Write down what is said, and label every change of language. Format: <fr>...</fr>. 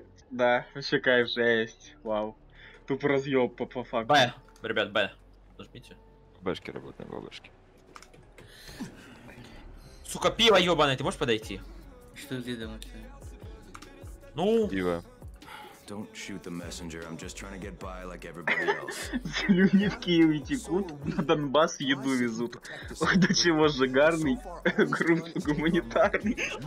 <ru>Да, вообще кайф, жесть, вау. Тупо разъёб по факту. Бэ, ребят, бэ, нажмите. Бэшки работают, бабушки. Сука, пиво ёбаное, ты можешь подойти? Что ты думаешь? Ну? Пиво.</ru> <en>Don't shoot the messenger, I'm just trying to get by like everybody else.</en> <ru>Люди в Киеве текут, на Донбасс еду везут. Ох, до чего же гарный, грунт гуманитарный.</ru>